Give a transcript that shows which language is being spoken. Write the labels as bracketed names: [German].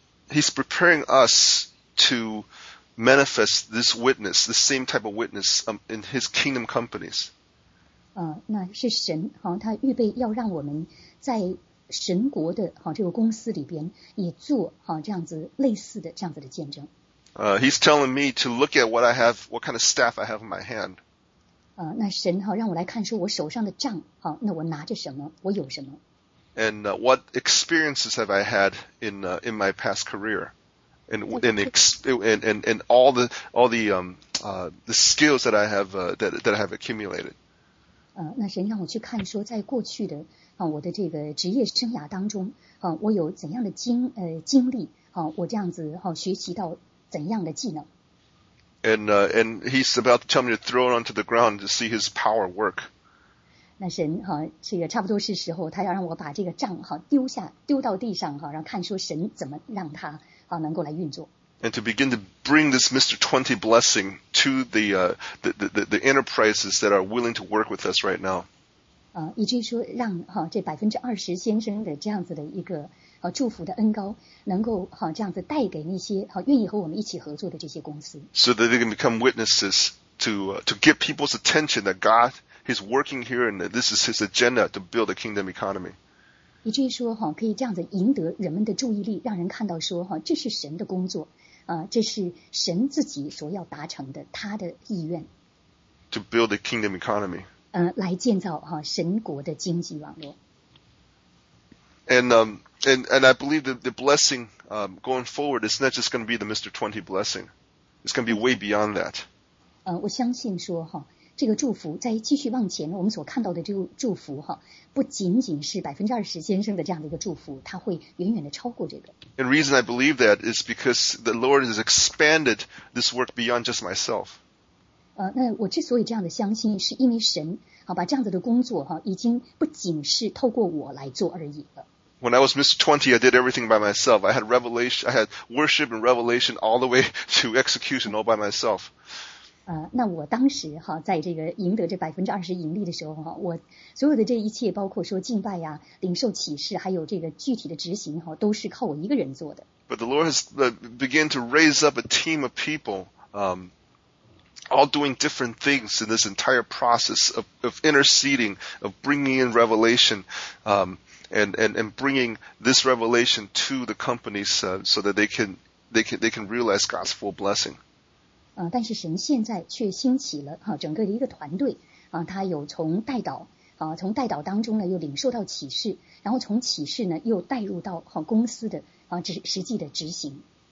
[English] He's preparing us to manifest this witness, the same type of witness in His kingdom companies. [Chinese] 那是神他预备要让我们在神国的这个公司里边也做这样子类似的这样子的见证。 [English] He's telling me to look at what I have, what kind of staff I have in my hand. [Chinese] 那神让我来看说我手上的杖那我拿着什么我有什么。 [English] And what experiences have I had in my past career? And all the skills that I have, that I have accumulated. [Chinese] 那神让我去看说在过去的我的这个职业生涯当中我有怎样的经历我这样子学习到怎样的技能。 [English] And he's about to tell me to throw it onto the ground to see his power work. [Chinese] 那神哈，这个差不多是时候，他要让我把这个杖哈丢下，丢到地上哈，然后看说神怎么让他啊能够来运作。 [English] And to begin to bring this Mr. 20 blessing to the enterprises that are willing to work with us right now. [Chinese] 啊，以至于说让哈这20%先生的这样子的一个啊祝福的恩膏，能够哈这样子带给那些哈愿意和我们一起合作的这些公司。 [English] So that they can become witnesses to get people's attention that God. He's working here, and this is his agenda to build a kingdom economy. [Chinese] 以至于说哈，可以这样子赢得人们的注意力，让人看到说哈，这是神的工作，啊，这是神自己所要达成的他的意愿。 [English] To build a kingdom economy. [Chinese] 来建造哈神国的经济网络。 [English] And I believe that the blessing going forward is not just going to be the Mr. 20 blessing. It's going to be way beyond that. [Chinese] 我相信说哈。这个祝福在继续往前，我们所看到的这个祝福哈，不仅仅是20%先生的这样的一个祝福，它会远远的超过这个。 [English] The reason I believe that is because the Lord has expanded this work beyond just myself. [Chinese] 那我之所以这样的相信，是因为神好把这样子的工作哈，已经不仅是透过我来做而已了。 [English] When I was Mr. 20, I did everything by myself. I had revelation, I had worship and revelation all the way to execution all by myself. [Chinese] 那我当时哈，在这个赢得这20%盈利的时候哈，我所有的这一切，包括说敬拜呀、领受启示，还有这个具体的执行哈，都是靠我一个人做的。 [English] But the Lord has began to raise up a team of people, all doing different things in this entire process of interceding, of bringing in revelation, and bringing this revelation to the companies, so that they can realize God's full blessing. [Chinese] 但是神现在却兴起了哈、整个的一个团队啊，他有从代祷啊，从代祷当中呢又领受到启示，然后从启示呢又带入到哈、公司的啊实际的执行。